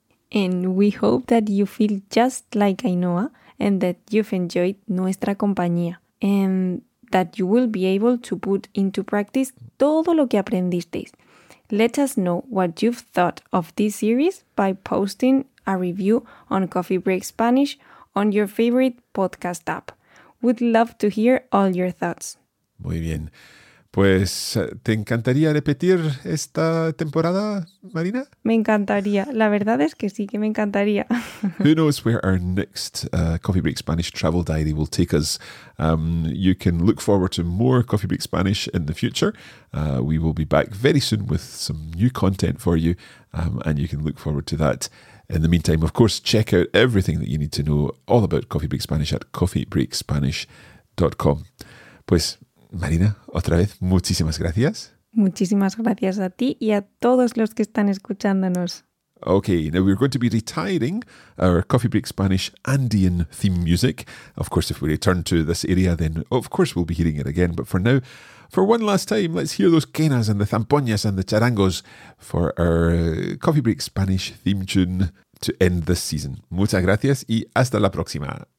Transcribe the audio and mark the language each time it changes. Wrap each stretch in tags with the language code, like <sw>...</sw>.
<en>And we hope that you feel just like Ainhoa, and that you've enjoyed</en> <es>nuestra compañía,</es> <en>and that you will be able to put into practice</en> <es>todo lo que aprendiste.</es> <en>Let us know what you've thought of this series by posting a review on Coffee Break Spanish on your favorite podcast app. We'd love to hear all your thoughts.</en> <es>Muy bien. Pues, ¿te encantaría repetir esta temporada, Marina? Me encantaría. La verdad es que sí, que me encantaría.</es> <en>Who knows where our next Coffee Break Spanish travel diary will take us. You can look forward to more Coffee Break Spanish in the future. We will be back very soon with some new content for you, and you can look forward to that. In the meantime, of course, check out everything that you need to know all about Coffee Break Spanish at coffeebreakspanish.com.</en> <es>Pues, Marina, otra vez, muchísimas gracias. Muchísimas gracias a ti y a todos los que están escuchándonos.</es> <en>Okay, now we're going to be retiring our Coffee Break Spanish Andean theme music. Of course, if we return to this area, then of course we'll be hearing it again. But for now, for one last time, let's hear those quenas and the zampoñas and the charangos for our Coffee Break Spanish theme tune to end this season.</en> <es>Muchas gracias y hasta la próxima.</es>